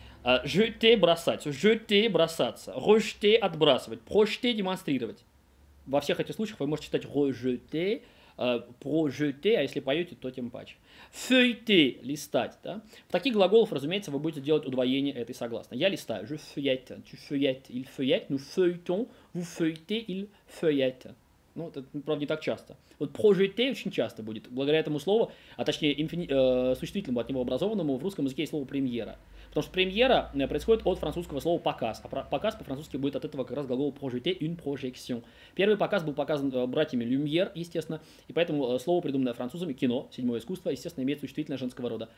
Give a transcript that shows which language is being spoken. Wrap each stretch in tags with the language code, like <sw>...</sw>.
<ru>Jeter, бросать. Jeter, бросаться. Rejeter, отбрасывать. Projeter, демонстрировать. Во всех этих случаях вы можете читать rejeter, projeter, а если поете, то тем паче. Feuilleter, листать. Да? В таких глаголах, разумеется, вы будете делать удвоение этой согласной. Я листаю.</ru> <fr>Je feuillette, tu feuillettes, il feuillette, nous feuilletons, vous feuilletez, il feuillette.</fr> <ru>Ну, это, правда, не так часто. Вот projeter очень часто будет, благодаря этому слову, а точнее существительному от него образованному, в русском языке есть слово премьера. Потому что премьера происходит от французского слова «показ». А «показ» по-французски будет от этого как раз глагола «projeter» – «une projection». Первый показ был показан братьями Люмьер, естественно, и поэтому слово, придуманное французами, «кино», «седьмое искусство», естественно, имеет существительное женского рода.</ru>